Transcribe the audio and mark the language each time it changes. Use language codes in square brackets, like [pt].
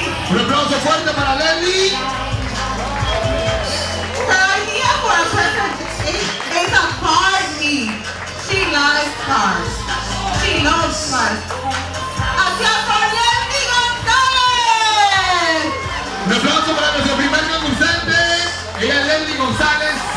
[es] Un aplauso fuerte para Lenny. [en] Her idea for a present is a party. She likes cars. She loves cars. [es] ¡Aplausos para Lenny González! Un aplauso para nuestro primer concursante. Ella es Lenny González.